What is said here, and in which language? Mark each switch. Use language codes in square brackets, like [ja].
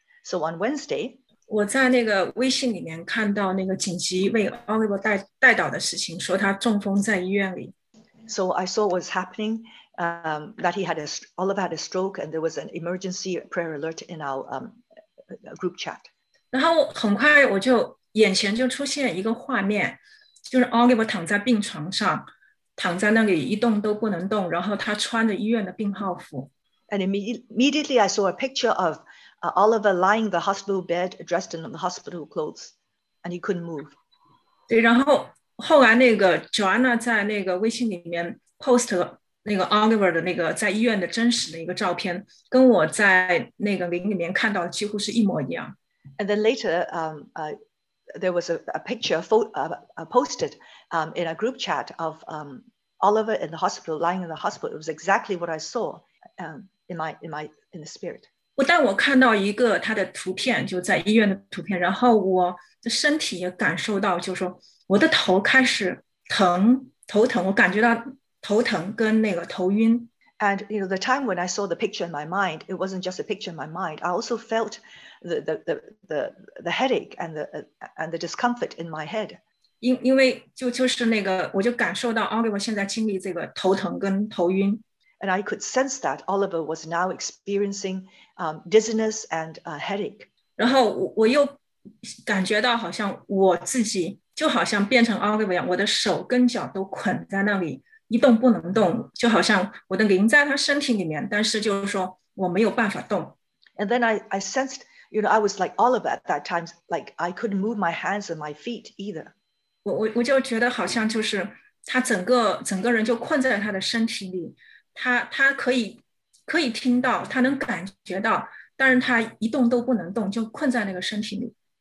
[en] So on Wednesday, [zh] 我在那个微信里面看到那个紧急为 Oliver 带导的事情，说他中风在医院里。 [en] So I saw what's happening, that Oliver had a stroke, and there was an emergency prayer alert in our group chat. [zh] 然后很快我就眼前就出现一个画面，就是 Oliver 躺在病床上。躺在那里一动都不能动，然后他穿着医院的病号服。 [en] And immediately I saw a picture of Oliver lying in the hospital bed, dressed in the hospital clothes, and he couldn't move. [zh] 对，然后后来那个 Joanna 在那个微信里面 post 那个 Oliver 的那个在医院的真实的一个照片，跟我在那个灵里面看到的几乎是一模一样。 [en] And then later, there was a picture posted in a group chat of Oliver in the hospital, lying in the hospital. It was exactly what I saw in the spirit. [zh] 但我看到一个他的图片，就在医院的图片，然后我的身体也感受到，就是说我的头开始疼，头疼，我感觉到头疼跟那个头晕。 [en] And you know, the time when I saw the picture in my mind, it wasn't just a picture in my mind. I also felt the headache and the discomfort in my head. [zh] 因为就是那个，我就感受到 Oliver 现在经历这个头疼跟头晕。 [en] And I could sense that Oliver was now experiencing dizziness and a headache. [zh] 然后 我又感觉到好像我自己就好像变成 Oliver 一样，我的手跟脚都捆在那里，一动不能动，就好像我的灵在他身体里面，但是就是说我没有办法动。 [en] And then I sensed, you know, I was like Oliver at that time, like I couldn't move my hands and my feet either. [zh] 我就觉得好像就是他整个人就困在他的身体里，他可以听到，他能感觉到，但是他一动都不能动，就困在那个身体里。